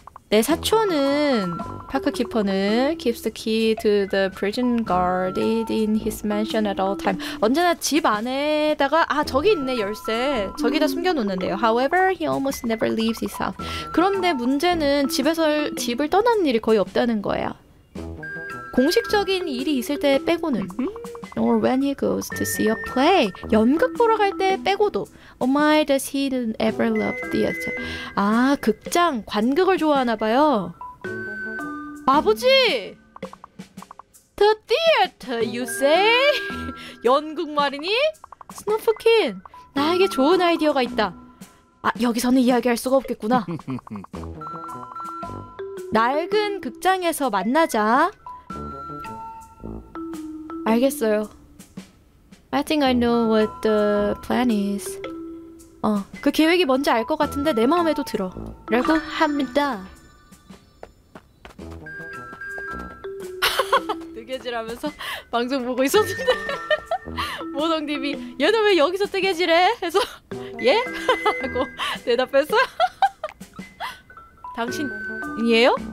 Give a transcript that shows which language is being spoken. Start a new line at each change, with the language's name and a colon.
Korean: 내 사촌은 파크키퍼는
English: keeps the key to the prison guarded in his mansion at all time.
Korean: 언제나 집 안에다가 아 저기 있네 열쇠 저기다 숨겨놓는데요.
English: However, he almost never leaves his house.
Korean: 그런데 문제는 집에서 집을 떠나는 일이 거의 없다는 거예요. 공식적인 일이 있을 때 빼고는.
English: Or when he goes to see a play.
Korean: 연극 보러 갈 때 빼고도.
English: Oh my, does he ever love theater?
Korean: 아, 극장, 관극을 좋아하나 봐요. 아버지!
English: The theater, you say?
Korean: 연극 말이니? 스노프킨, 나에게 좋은 아이디어가 있다. 아, 여기서는 이야기할 수가 없겠구나. 낡은 극장에서 만나자. 알겠어요.
English: I think I know what the plan is.
Korean: 어, 그 계획이 뭔지 알 것 같은데 내 마음에도 들어. 라고 합니다. 뜨개질하면서 방송 보고 있었는데 모성님이 얘는 왜 여기서 뜨개질해? 해서 예? 하고 대답했어요. 당신이에요?